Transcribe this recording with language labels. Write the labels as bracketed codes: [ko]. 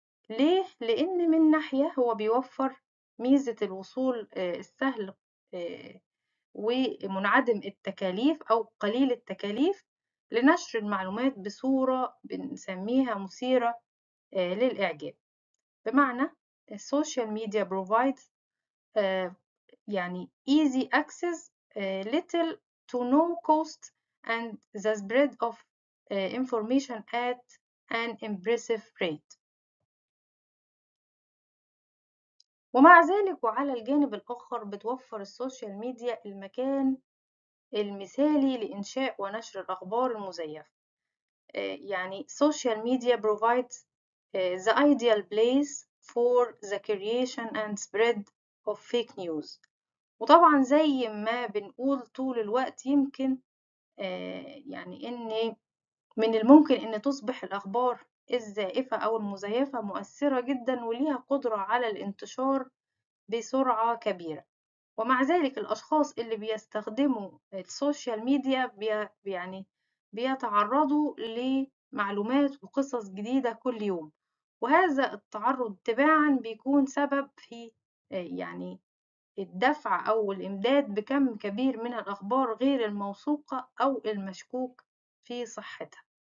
[ar] ليه؟ لأن من ناحية هو بيوفر ميزة الوصول السهل ومنعدم التكاليف أو قليل التكاليف لنشر المعلومات بصورة بنسميها مثيرة للإعجاب. [en] بمعنى السوشيال media provides يعني easy access little to no cost and the spread of information at an impressive rate. [ar] ومع ذلك وعلى الجانب الآخر بتوفر السوشيال ميديا المكان المثالي لإنشاء ونشر الأخبار المزيفة. [en] يعني social media provides the ideal place for the creation and spread of fake news. [ar] وطبعا زي ما بنقول طول الوقت، يمكن يعني إن من الممكن إن تصبح الأخبار الزائفة أو المزيفة مؤثرة جدا وليها قدرة على الانتشار بسرعة كبيرة. ومع ذلك الأشخاص اللي بيستخدموا السوشيال ميديا يعني بيتعرضوا لمعلومات وقصص جديدة كل يوم، وهذا التعرض تباعا بيكون سبب في يعني الدفع أو الإمداد بكم كبير من الأخبار غير الموثوقة أو المشكوك في صحتها.